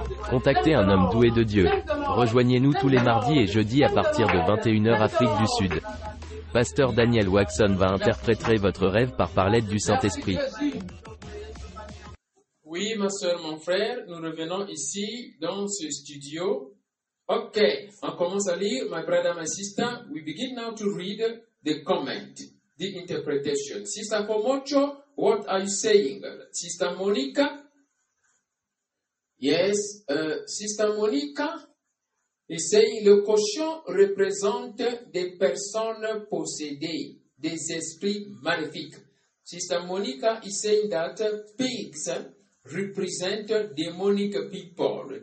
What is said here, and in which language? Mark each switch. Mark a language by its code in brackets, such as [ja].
[fr] Contactez un homme doué de Dieu. Rejoignez-nous tous les mardis et jeudis à partir de 21h Afrique du Sud. Pasteur Daniel Watson va interpréter votre rêve par l'aide du Saint-Esprit. Oui, ma soeur, mon frère, nous revenons ici dans ce studio. Ok, on commence à lire, [en] my brother, my sister. We begin now to read the comment, the interpretation. Sister Komocho, what are you saying? Sister Monica? Yes, Sister Monica is saying, [fr] le cochon représente des personnes possédées, des esprits maléfiques. [en] Sister Monica is saying that pigs represent demonic people.